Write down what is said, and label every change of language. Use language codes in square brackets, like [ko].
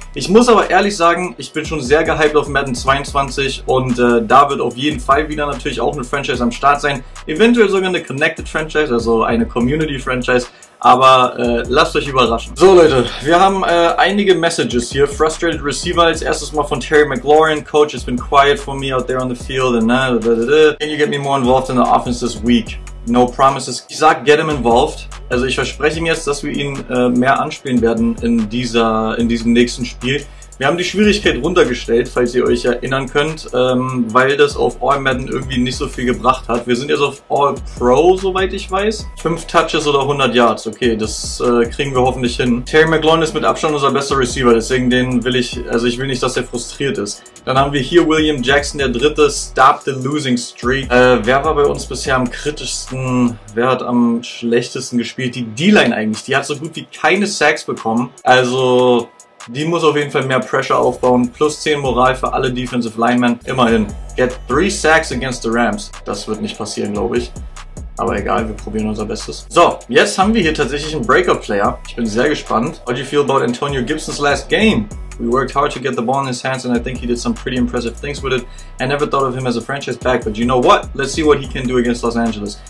[de] Ich muss aber ehrlich sagen, ich bin schon sehr gehypt auf Madden 22 und da wird auf jeden Fall wieder natürlich auch eine Franchise am Start sein. Eventuell sogar eine Connected Franchise, also eine Community Franchise. Aber lasst euch überraschen. So Leute, wir haben einige Messages hier. Frustrated Receiver als erstes mal von Terry McLaurin. [en] Coach, it's been quiet for me out there on the field. Can you get me more involved in the offense this week? No promises. [de] Ich sag, [en] get him involved. [de] Also ich verspreche ihm jetzt, dass wir ihn mehr anspielen werden in diesem nächsten Spiel. Wir haben die Schwierigkeit runtergestellt, falls ihr euch erinnern könnt, weil das auf All Madden irgendwie nicht so viel gebracht hat. Wir sind jetzt auf All Pro, soweit ich weiß. 5 Touches oder 100 Yards, okay, das kriegen wir hoffentlich hin. Terry McLaurin ist mit Abstand unser bester Receiver, deswegen ich will nicht, dass er frustriert ist. Dann haben wir hier William Jackson, der dritte, Stop the Losing Streak. Wer war bei uns bisher am kritischsten, wer hat am schlechtesten gespielt? Die D-Line eigentlich, die hat so gut wie keine Sacks bekommen, also... Die muss auf jeden Fall mehr Pressure aufbauen. Plus 10 Moral für alle Defensive Linemen. Immerhin. [en] Get 3 Sacks against the Rams. [de] Das wird nicht passieren, glaube ich. Aber egal, wir probieren unser Bestes. So, jetzt haben wir hier tatsächlich einen Breakout-Player. Ich bin sehr gespannt. [en] How do you feel about Antonio Gibson's last game? We worked hard to get the ball in his hands and I think he did some pretty impressive things with it. I never thought of him as a franchise back, but you know what? Let's see what he can do against Los Angeles.